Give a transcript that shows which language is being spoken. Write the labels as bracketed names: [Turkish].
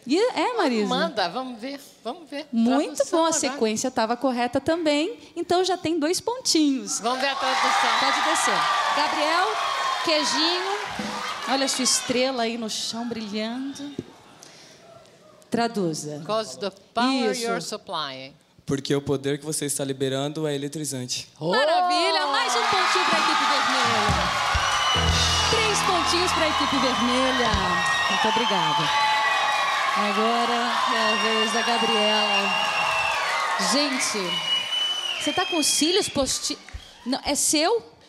[Portuguese] É, Marisa? Amanda, vamos ver. Muito bom, agora. A sequência tava correta também, então já tem dois pontinhos. Vamos ver a tradução. Pode descer. Gabriel, queijinho, olha a sua estrela aí no chão brilhando. Traduza. [English] Because the power you're supplying. [Portuguese] Porque o poder que você está liberando é eletrizante. Maravilha! Mais um pontinho para a equipe vermelha. Três pontinhos para a equipe vermelha. Muito obrigada. Agora é a vez da Gabriela. Gente, você está com os cílios Não, é seu?